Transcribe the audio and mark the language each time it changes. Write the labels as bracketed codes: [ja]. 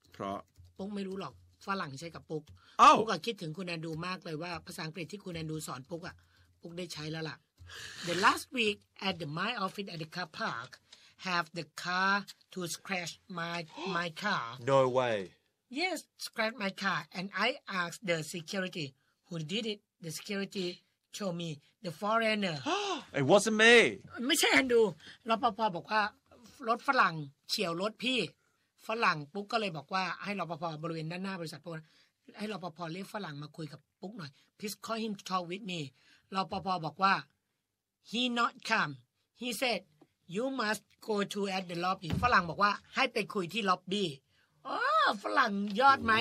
[th] เพราะ ปุ๊กไม่รู้หรอกฝรั่งใช้กับปุ๊ก oh. ปุ๊กก็คิดถึงคุณแอนดูมากเลยว่าภาษาอังกฤษที่คุณแอนดูสอนปุ๊กอ่ะปุ๊กได้ใช้แล้วล่ะ [en] The last week at the my office at the car park have the car to scratch my car No way Yes scratch my car and I asked the security who did it the security show me the foreigner it wasn't me [th] ไม่ใช่แอนดูรปภ.บอกว่ารถฝรั่งเฉี่ยวรถพี่ฝรั่งปุ๊กก็เลยบอกว่าให้รปภ. บริเวณด้านหน้าบริษัทปุ๊กให้รปภ.เรียกฝรั่งมาคุยกับปุ๊กหน่อย [en] please call him to talk with me [th] รปภ. บอกว่า [en] he not come he said you must go to at the lobby [th] ฝรั่งบอกว่าให้ไปคุยที่ล็อบบี้อ๋อฝรั่งยอดไหม